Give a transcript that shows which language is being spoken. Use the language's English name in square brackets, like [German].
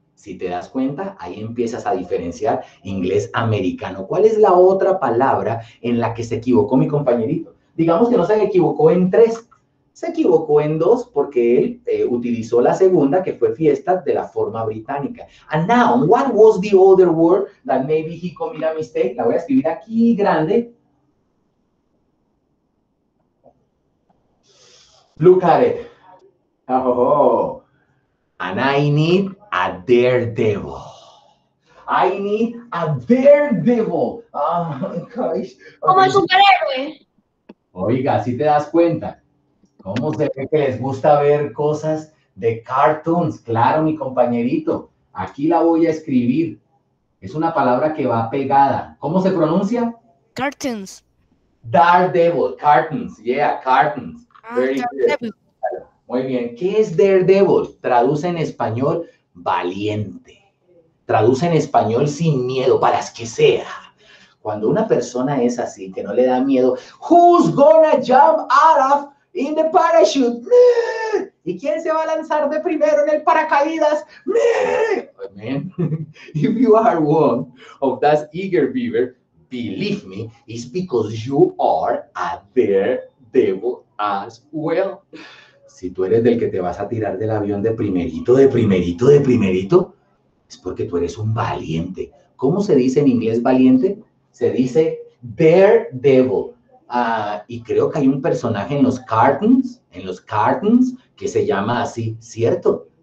[Spanish] Si te das cuenta, ahí empiezas a diferenciar inglés americano. ¿Cuál es la otra palabra en la que se equivocó mi compañerito? Digamos que no se equivocó en tres. Se equivocó en dos porque él utilizó la segunda, que fue fiesta, de la forma británica. [English] And now, what was the other word that maybe he committed a mistake? [Spanish] La voy a escribir aquí grande. [English] Look at it. Oh. And I need a daredevil. I need a daredevil. Oh, gosh. [Spanish] Como el superhéroe. Oiga, si te das cuenta, ¿cómo se ve que les gusta ver cosas de cartoons? Claro, mi compañerito, aquí la voy a escribir. Es una palabra que va pegada. ¿Cómo se pronuncia? [English] Cartoons. [Spanish] Daredevil, cartoons, yeah, cartoons. Muy bien, ¿qué es Daredevil? Traduce en español, valiente. Traduce en español, sin miedo, para que sea. Cuando una persona es así, que no le da miedo, [English] who's gonna jump out of in the parachute? [Spanish] ¿Y quién se va a lanzar de primero en el paracaídas? [English] Man, if you are one of that eager beaver, believe me, it's because you are a daredevil as well. [Spanish] Si tú eres del que te vas a tirar del avión de primerito, es porque tú eres un valiente. ¿Cómo se dice en inglés valiente? Se dice Daredevil. Y creo que hay un personaje en los cartoons que se llama así, ¿cierto?